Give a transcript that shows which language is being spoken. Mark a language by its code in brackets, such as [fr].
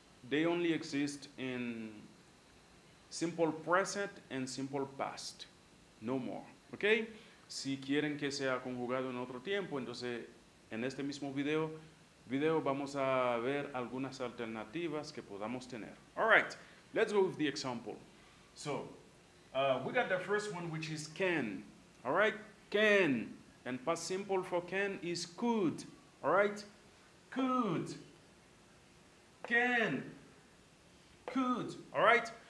[en] They only exist in simple present and simple past. No more. Okay? [es] Si quieren que sea conjugado en otro tiempo, entonces en este mismo video vamos a ver algunas alternativas que podamos tener. [en] All right. Let's go with the example. So, we got the first one, which is can. All right? Can. And past simple for can is could. All right? Could. Can. Could, all right?